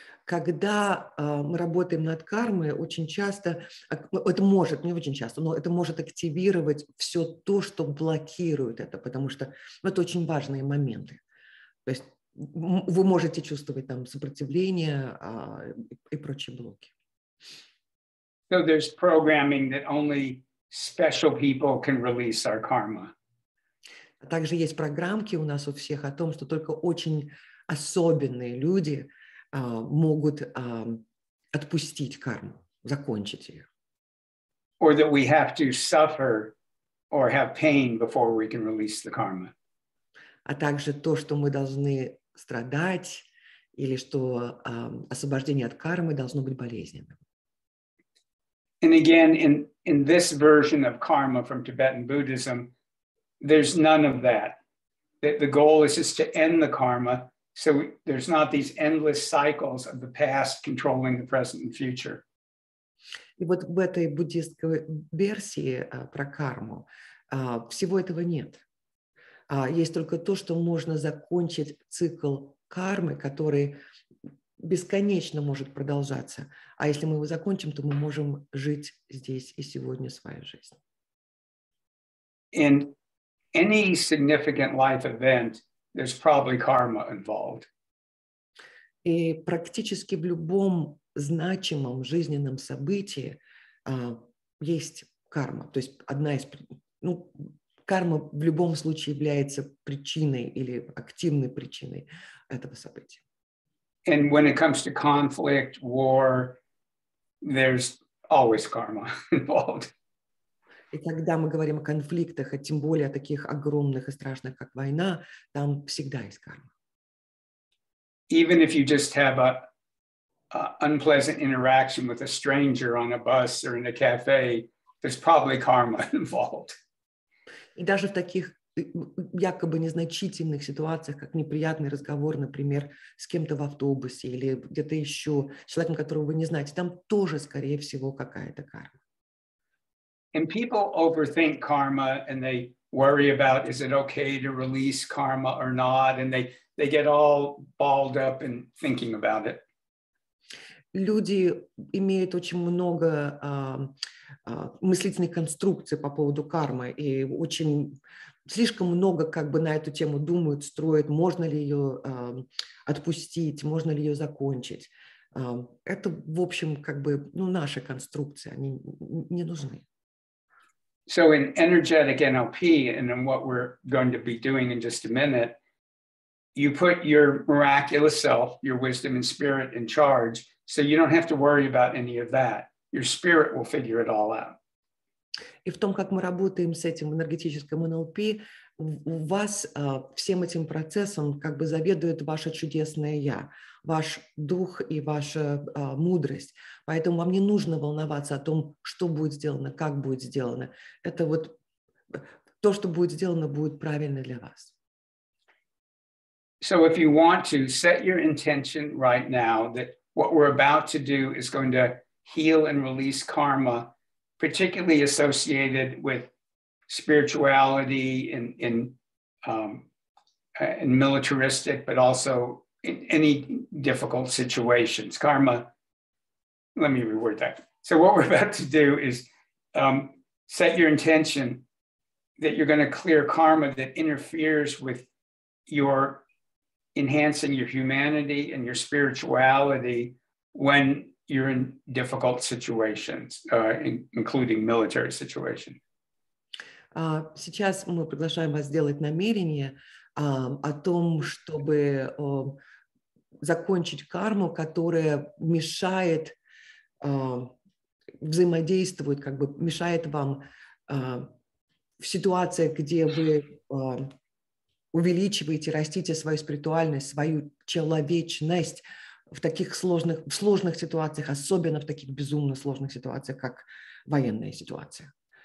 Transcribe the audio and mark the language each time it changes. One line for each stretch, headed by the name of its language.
Russian: когда мы работаем над кармой, очень часто, это может, не очень часто, но это может активировать все то, что блокирует это, потому что это очень важные моменты. То есть вы можете чувствовать там сопротивление и прочие блоки.
English: So there's programming that only special people can release our karma.
Russian: Также есть программки у нас у всех о том, что только очень особенные люди могут отпустить карму, закончить ее.
English: Or that we have to suffer or have pain before we can release the karma.
Russian: А также то, что мы должны страдать, или что освобождение от кармы должно быть болезненным.
English: And again, in this version of karma from Tibetan Buddhism, there's none of that. The goal is just to end the karma, so there's not these endless cycles of the past controlling the present and future.
Russian: И вот в этой буддистской версии про карму всего этого нет. Есть только то, что можно закончить цикл кармы, который бесконечно может продолжаться. А если мы его закончим, то мы можем жить здесь и сегодня свою жизнь.
English: And any significant life event, there's probably karma involved.
Russian: И практически в любом значимом жизненном событии есть карма. То есть одна из... Ну, карма в любом случае является причиной или активной причиной этого события.
English: And when it comes to conflict, war, there's always karma involved.
Russian: И когда мы говорим о конфликтах, а тем более о таких огромных и страшных, как война, там всегда есть карма.
English: Even if you just have an unpleasant interaction with a stranger on a bus or in a cafe, there's probably karma involved.
Russian: И даже в таких якобы незначительных ситуациях, как неприятный разговор, например, с кем-то в автобусе или где-то еще, с человеком, которого вы не знаете, там тоже, скорее всего, какая-то карма.
English: And people overthink karma, and they worry about, is it okay to release karma or not, and they get all balled up in thinking about it.
Russian: Люди имеют очень много мыслительных конструкций по поводу кармы и очень слишком много как бы на эту тему думают, строят, можно ли ее отпустить, можно ли ее закончить. Это, в общем, как бы ну, наши конструкции, они не нужны.
English: So in energetic NLP and in what we're going to be doing in just a minute, you put your miraculous self, your wisdom and spirit in charge. So you don't have to worry about any of that. Your spirit will figure it all out.
Russian: И в том, как мы работаем с этим энергетическим NLP, у вас всем этим процессом как бы заведует ваше чудесное я, ваш дух и ваша мудрость. Поэтому вам не нужно волноваться о том, что будет сделано, как будет сделано. Это вот то, что будет сделано, будет правильно для вас.
English: So if you want to set your intention right now that what we're about to do is going to heal and release karma, particularly associated with spirituality and militaristic, but also in any difficult situations. Karma, let me reword that. So what we're about to do is set your intention that you're going to clear karma that interferes with your enhancing your humanity and your spirituality when you're in difficult situations, including military situation.
Russian: Сейчас мы приглашаем вас сделать намерение о том, чтобы закончить карму, которая мешает взаимодействовать, как бы мешает вам в ситуациях, где вы увеличиваете, растите свою спиритуальность, свою человечность в таких сложных ситуациях, особенно в таких безумно сложных ситуациях, как военная ситуация.